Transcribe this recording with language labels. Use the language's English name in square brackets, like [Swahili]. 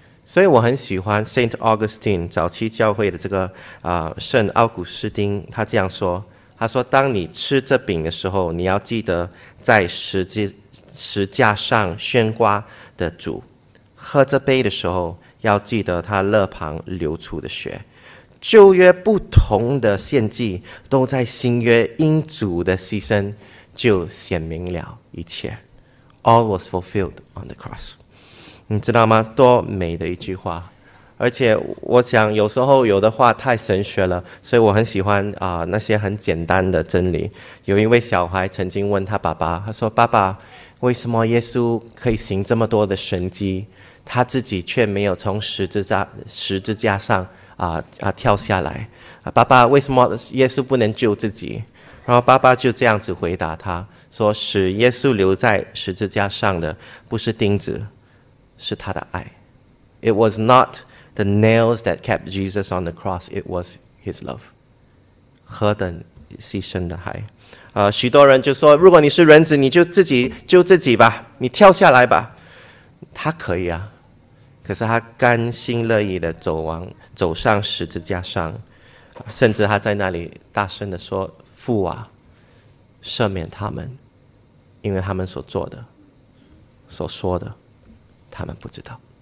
[Chinese] 所以我很喜欢 Saint Augustine 早期教会的这个圣奥古斯丁，他这样说，他说当你吃这饼的时候，你要记得在十字架上宣挂的主，喝这杯的时候要记得他肋旁流出的血。旧约不同的献祭都在新约因主的牺牲就显明了一切。 [English] All was fulfilled on the cross， [Chinese] 你知道吗？多美的一句话。而且我想有时候有的话太神学了，所以我很喜欢那些很简单的真理。有一位小孩曾经问他爸爸，他说爸爸，为什么耶稣可以行这么多的神迹，他自己却没有从十字架上跳下来，爸爸为什么耶稣不能救自己？然后爸爸就这样子回答他说，使耶稣留在十字架上的不是钉子，是他的爱。 [English] It was not the nails that kept Jesus on the cross, it was his love. [Chinese] 何等牺牲的爱。许多人就说，如果你是人子，你就自己救自己吧，你跳下来吧。他可以啊，可是他甘心乐意的走上十字架上，甚至他在那里大声的说，父啊，赦免他们，因为他们所做的所说的他们不知道。